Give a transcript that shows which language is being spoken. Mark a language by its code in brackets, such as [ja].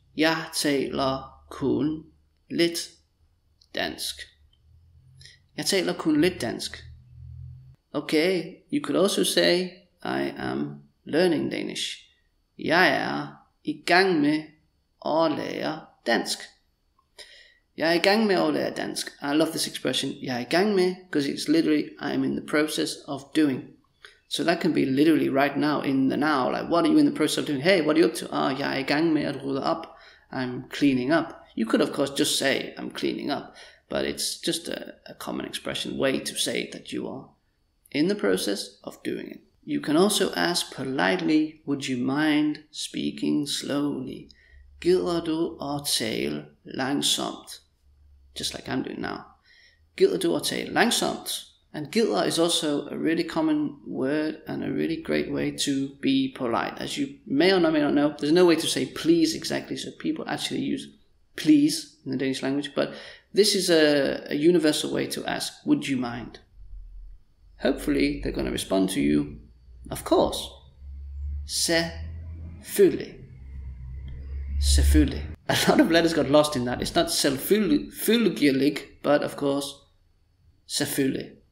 [da] Jeg taler kun lidt dansk. Jeg taler kun lidt dansk. [en] Okay, you could also say, I am learning Danish. [da] Jeg er i gang med at lære dansk. Jeg er i gang med at lære dansk. [en] I love this expression, [da] jeg er i gang med, [en] because it's literally, I am in the process of doing. So that can be literally right now, in the now, like, what are you in the process of doing? Hey, what are you up to? Ah, [da] jeg er i gang med at rydde op. [en] I'm cleaning up. You could, of course, just say, I'm cleaning up. But it's just a common expression, way to say that you are in the process of doing it. You can also ask politely, would you mind speaking slowly? [da] Gider du at tale langsomt? [en] Just like I'm doing now. [da] Gider du at tale langsomt? [en] And gider is also a really common word and a really great way to be polite. As you may or not know, there's no way to say please exactly, so people actually use please in the Danish language, but this is a universal way to ask, would you mind? Hopefully, they're going to respond to you, of course. Selvfølgelig. Selvfølgelig. A lot of letters got lost in that. It's not selvfølgelig, but of course, selvfølgelig.